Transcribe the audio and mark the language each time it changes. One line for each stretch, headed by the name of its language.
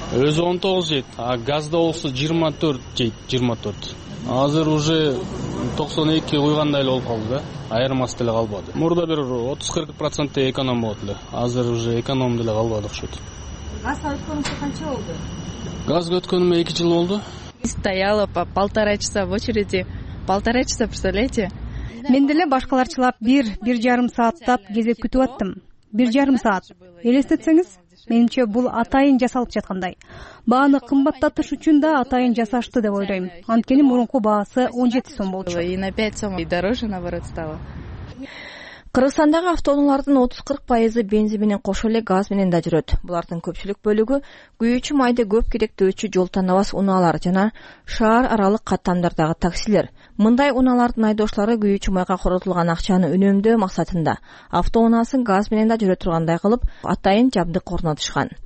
Kyrgyz: Өзү 19 жейт, а газда болсо 24 жейт, 24. Азыр уже 92 куйгандай эле болуп калды да. Айырмасы деле калбады. Мурда бир 30-40% эконом болот эле. Азыр уже эконом деле калбады окшойт. Газга өткөнүңүз канча болду? Газга өткөнүмө 2 жыл болду.
Russian: Стояла по полтора часа в очереди. Полтора часа, представляете?
Kyrgyz: Мен деле башкаларчылап 1-1.5 сааттап кезек күтүп аттым. 1.5 саат. Элестетсеңиз, менимче бул атайын жасалып жаткандай. Бааны кымбаттатыш үчүн да атайын жасашты деп ойлойм. Анткени мурунку баасы 17 сом болчу.
Russian: И на 5 сом и дороже наоборот стало.
Kyrgyz: Кыргызстандагы автоунаалардын 30-40% бензин менен кошо эле газ менен да жүрөт. Булардын көпчүлүк бөлүгү күйүүчү майды көп керектөөчү жол тандабас унаалар жана шаар аралык каттамдардагы таксилер. Мындай унаалардын айдоочулары күйүүчү майга коротулган акчаны үнөмдөө максатында автоунаасын газ менен да жүрө тургандай кылып атайын жабдык орнотушкан.